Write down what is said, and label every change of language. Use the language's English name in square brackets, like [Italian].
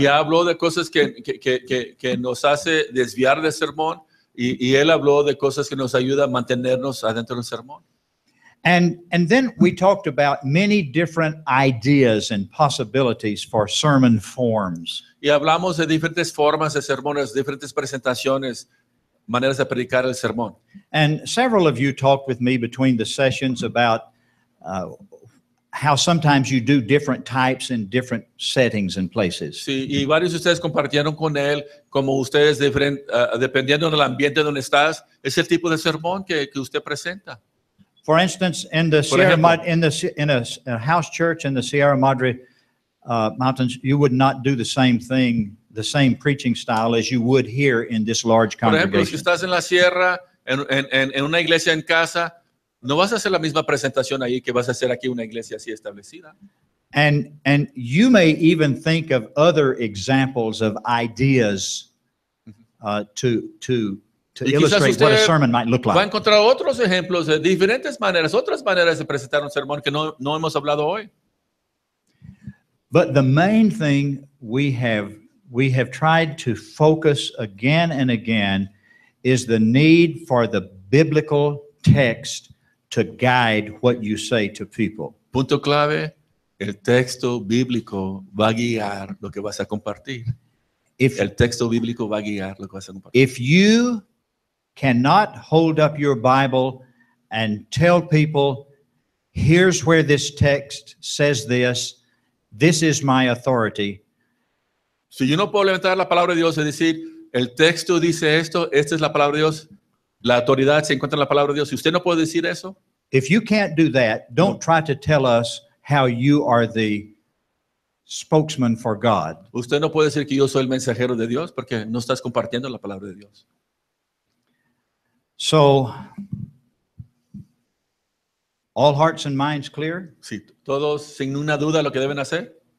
[Spanish] Y habló de cosas que nos hace desviar del sermón. Y él habló de cosas que nos ayuda a mantenernos adentro del sermón. [English] And then we talked about many different ideas and possibilities for sermon forms. [Spanish] Y hablamos de diferentes formas de sermones, diferentes presentaciones, maneras de predicar el sermón. [English] And several of you talked with me between the sessions about how sometimes you do different types in different settings and places. [Spanish] Sí, y varios de ustedes compartieron con él como ustedes dependiendo del ambiente donde estás, es el tipo de sermón que usted presenta. [English] For instance, in the Sierra Madre, in a house church in the Sierra Madre mountains, you would not do the same thing, the same preaching style as you would here in this large congregation. [Spanish] Por ejemplo, si estás en la sierra, en una iglesia en casa, no vas a hacer la misma presentación ahí que vas a hacer aquí una iglesia así establecida. [English] And you may even think of other examples of ideas to illustrate what a sermon might look like. [Spanish] Va a encontrar otros ejemplos de diferentes maneras, otras maneras de presentar un sermón que no hemos hablado hoy. [English] But the main thing we have tried to focus again and again is the need for the biblical text to guide what you say to people. [Spanish] Punto clave, el texto bíblico va a guiar lo que vas a compartir. [English] If you cannot hold up your Bible and tell people, here's where this text says this, this is my authority. [Spanish] Si yo no puedo levantar la palabra de Dios y decir, el texto dice esto, esta es la palabra de Dios, la autoridad se encuentra en la palabra de Dios. Si usted no puede decir eso. [English] If you can't do that, don't try to tell us how you are the spokesman for God. [Spanish] Usted no puede decir que yo soy el mensajero de Dios porque no estás compartiendo la palabra de Dios. [English] So, all hearts and minds clear? [Spanish] Sí, todos sin una duda lo que deben hacer.